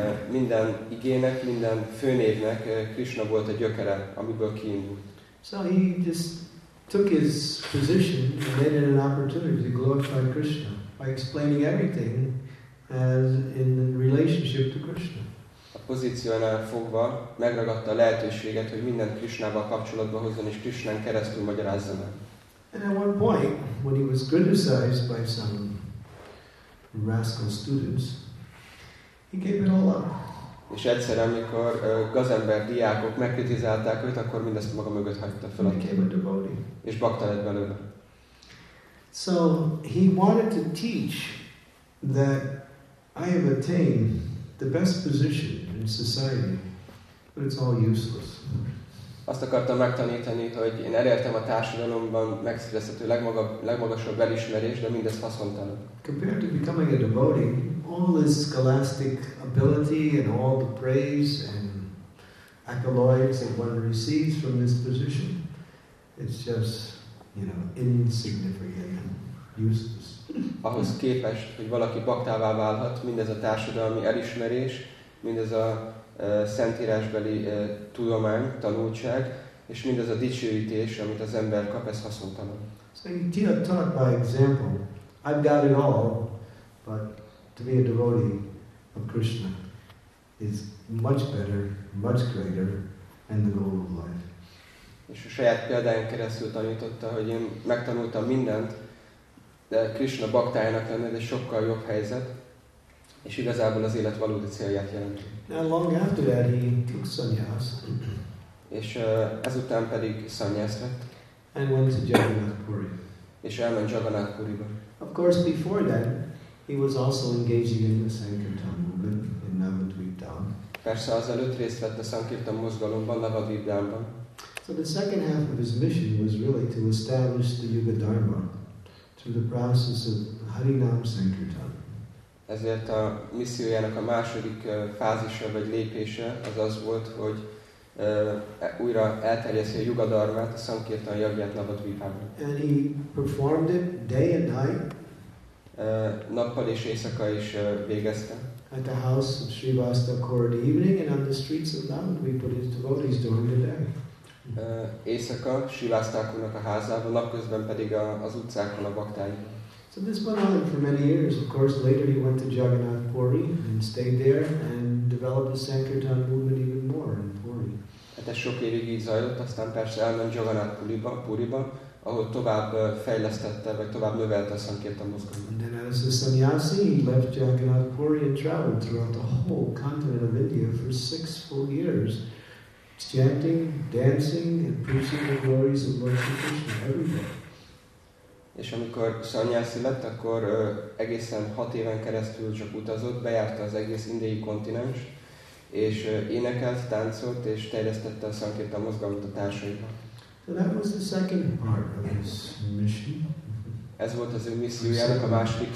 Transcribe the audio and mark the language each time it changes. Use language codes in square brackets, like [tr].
[hu] Minden igének, minden főnévnek Krishna volt a gyökere, amiből kiindult. [en] So he just took his position and made it an opportunity to glorify Krishna by explaining everything as in relationship to Krishna. [hu] A pozíciónál fogva megragadta a lehetőséget, hogy mindent Krishnával kapcsolatba hozzon és Krishnán keresztül magyarázza meg. [en] And at one point, when he was criticized by some rascal students, he gave it all up. [hu] És egyszer, amikor gazember diákok megkritizálták őt, akkor mindezt maga mögött hagyta fel. És bhakta lett belőle. [en] So he wanted to teach that I have attained the best position in society, but it's all useless. [hu] Azt akartam megtanítani, hogy én elértem a társadalomban megszerezhető legmagasabb elismerést, de mindez haszontalan. [en] Compared to becoming a devotee, all this scholastic ability and all the praise and accolades that one receives from this position, it's just, you know, insignificant and useless. [hu] Ahhoz képest, hogy valaki baktává válhat, mindez a társadalmi elismerés, mindez a szentírásbeli tudomány, tanultság, és mindez a dicsőítés, amit az ember kap, ez haszontalan. [en] So you taught by example. I've got it all, but to be a devotee of Krishna is much better, much greater, and the goal of life. [hu] És a saját példáján keresztül tanította, hogy én megtanultam mindent, de Krishna baktájának lenne, de sokkal jobb helyzet, és igazából az élet valódi célját jelenti. [en] Now long after that he took sannyas. [hu] És ezután pedig sannyas lett. [en] And went to Jagannath Puri. [hu] És elment Jagannath Puriba. [en] Of course before that he was also engaging in the Sankirtan movement in Navadvipdham. [hu] Persze azelőtt részt vett a Sankirtan mozgalomban, Navadvipdhamban. [en] So the second half of his mission was really to establish the Yuga Dharma through the process of Harinam Sankirtan. [hu] Ezért a missziójának a második fázisa vagy lépése az az volt, hogy újra elterjeszi a Yuga Dharmát, a Sankirtan jagját Navadvipában. [en] And he performed it day and night. [hu] nappal és éjszaka is végezte. [en] At the house of Srivasta Kaur evening and on the streets of Nand we put his devotees during the day. [hu] Éjszaka Srivastakurnak a házában, napközben pedig az utcákon a baktáik. [en] So this went on for many years. Of course, later he went to Jagannath Puri and stayed there and developed the Sankirtan movement even more in Puri. [hu] Hát ez sok évig így zajlott, aztán persze elment Jagannath Puriba, ahol tovább fejlesztette, vagy tovább növelte a Sankirtan mozgalmat. [en] And then as a sannyasi, he left Jagannath Puri and traveled throughout the whole continent of India for 6 full years, chanting, dancing, and preaching the glories of Lord Sri Krishna everywhere. [hu] És amikor szanyászi lett, akkor egészen 6 éven keresztül csak utazott, bejárta az egész indiai kontinens, és énekelt, táncolt, és terjesztette a szankirtan mozgalmat a társaiba. [en] So that was the second part of his mission. [hu] Ez volt az ő missziójának a második